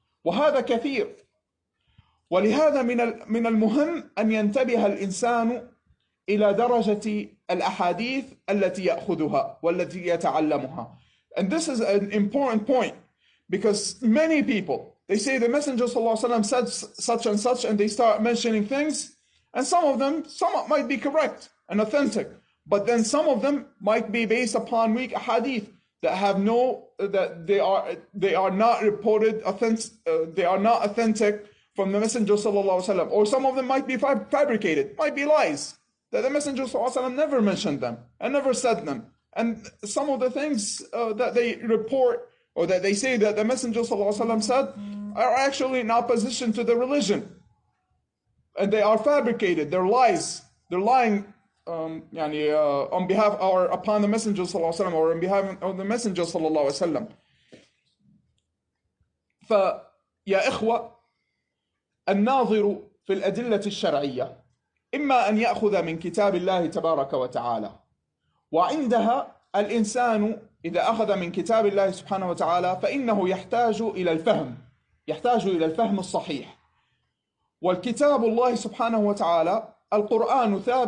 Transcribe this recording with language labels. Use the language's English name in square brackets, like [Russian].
[Arabic] وهذا كثير ولهذا من المهم أن ينتبه الإنسان إلى درجة الأحاديث التي يأخذها والتي يتعلمها. [English] And this is an important point. Because many people, they say the Messenger said such and such, and they start mentioning things, and some might be correct and authentic, but then some of them might be based upon weak hadith that have no, that they are not reported authentic, they are not authentic from the Messenger sallallahu alaihi wasallam, or some of them might be fabricated, might be lies that the Messenger sallallahu alaihi wasallam never mentioned them and never said them, and some of the things that they report. Or that they say that the Messenger ﷺ said are actually in opposition to the religion, and they are fabricated. They're lies. They're lying, on behalf or upon the Messenger ﷺ, or on behalf of the Messenger ﷺ. [Arabic] فيا إخوة الناظر في الأدلة الشرعية إما أن يأخذ من كتاب الله تبارك وتعالى وعندها الإنسان إذا أخذ من كتاب الله سبحانه وتعالى فإنه يحتاج إلى الفهم الصحيح والكتاب الله سبحانه وتعالى القرآن